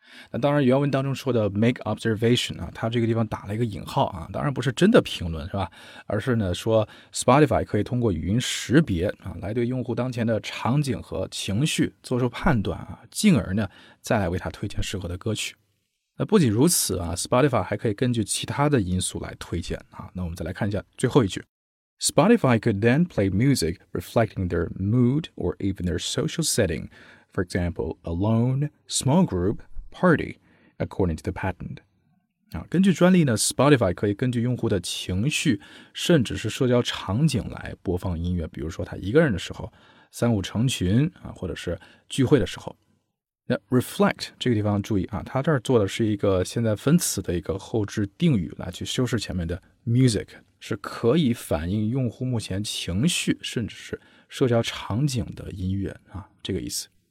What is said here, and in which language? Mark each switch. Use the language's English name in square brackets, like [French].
[Chinese] 那当然原文当中说的 make observation、它这个地方打了一个引号、当然不是真的评论是吧而是呢说 Spotify 可以通过语音识别、来对用户当前的场景和情绪做出判断、进而呢再来为他推荐适合的歌曲那不仅如此啊 ,Spotify 还可以根据其他的因素来推荐啊。那我们再来看一下最后一句。 [English] Spotify could then play music reflecting their mood or even their social setting, for example, alone, small group, party, according to the patent. [Chinese] 根据专利呢 ,Spotify 可以根据用户的情绪甚至是社交场景来播放音乐比如说他一个人的时候三五成群啊或者是聚会的时候。那 reflect 这个地方注意啊，它这儿做的是一个现在分词的一个后置定语来去修饰前面的 music 是可以反映用户目前情绪甚至是社交场景的音乐啊，这个意思。